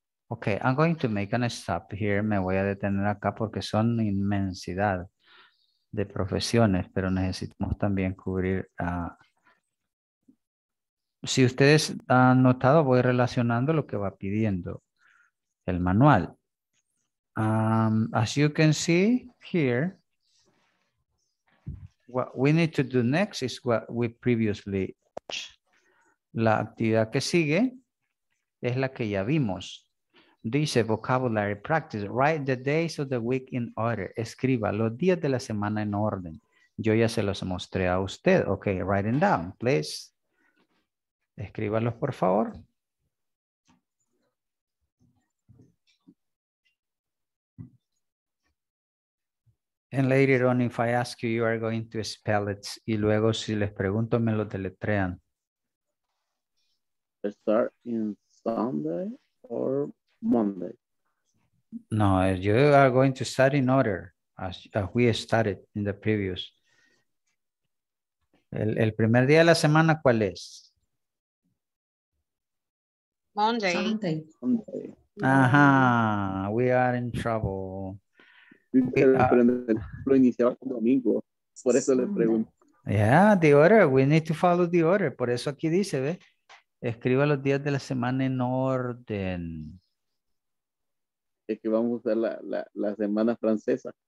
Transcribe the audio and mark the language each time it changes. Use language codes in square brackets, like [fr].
[en] Okay, I'm going to make an stop here. [es] Me voy a detener acá porque son inmensidad de profesiones, pero necesitamos también cubrir. Si ustedes han notado, voy relacionando lo que va pidiendo el manual. [en] As you can see here, what we need to do next is what we previously watched. [es] La actividad que sigue es la que ya vimos. [en] Dice vocabulary practice. Write the days of the week in order. [es] Escriba los días de la semana en orden. Yo ya se los mostré a usted. Ok, [en] write it down, please. [es] Escríbalos, por favor. [en] And later on, if I ask you, you are going to spell it. [es] Y luego, si les pregunto, me lo deletrean. [en] Start in Sunday or Monday? No, you are going to start in order as we started in the previous. [es] El primer día de la semana, ¿cuál es? [en] Monday. Sunday. [es] Ajá, [en] we are in trouble. [es] Lo iniciaba con domingo, por eso le pregunto. [en] Yeah, the order, we need to follow the order. [es] Por eso aquí dice, ¿ve? Escriba los días de la semana en orden. Es que vamos a usar la semana francesa.